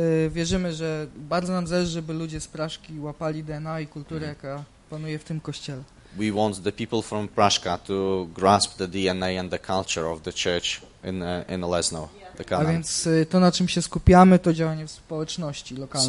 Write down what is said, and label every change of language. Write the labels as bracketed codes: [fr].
[pl] Wierzymy, że bardzo nam zależy, żeby ludzie z Praszki łapali DNA i kulturę, jaka panuje w tym kościele. [en] We want the people from Praszka to grasp the DNA and the culture of the church in Olesno, the Canaan. [pl] A więc to, na czym się skupiamy, to działanie w społeczności lokalnej.